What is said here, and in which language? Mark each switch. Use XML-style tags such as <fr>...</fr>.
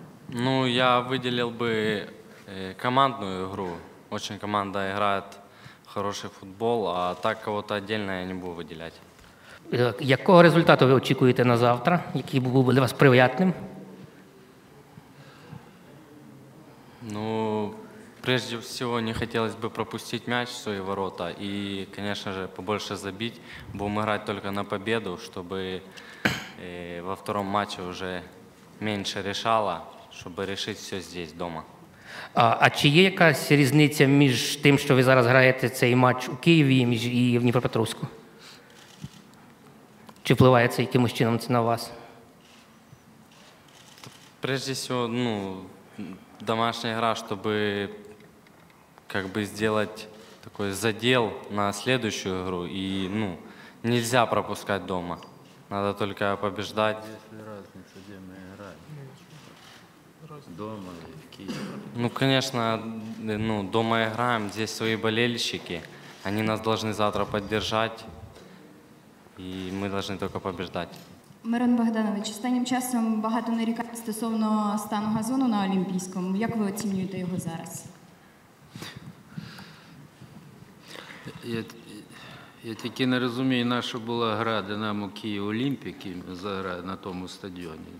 <uk>Ну, я виділив би командну гру. Очень команда грає хороший футбол, а так кого-то віддільно я не буду виділяти. Якого результату ви очікуєте на завтра, який був би для вас приємним?</uk> <ru>Ну, прежде всего, не хотелось бы пропустить мяч в свои ворота и, конечно же, побольше забить. Будем играть только на победу, чтобы во втором матче уже меньше решало, чтобы решить все здесь, дома.</ru> <uk>А чи є якась різниця між тим, що ви зараз граєте цей матч у Києві і в Дніпропетровську? Чи впливає це якимось чином на вас?</uk> <ru>Прежде всего, ну, домашняя игра, чтобы как бы сделать такой задел на следующую игру. И, ну, нельзя пропускать дома. Надо только побеждать. Есть ли разница, где мы играем? Дома или в Киеве? Ну, конечно, ну, дома играем. Здесь свои болельщики. Они нас должны завтра поддержать. И мы должны только побеждать.</ru> <uk>Мирон Богданович, останнім часом багато нарікань стосовно стану газону на Олімпійському. Як ви оцінюєте його зараз? Я тільки не розумію, на що була гра «Динамо Київ Олімпік» на тому стадіоні.</uk>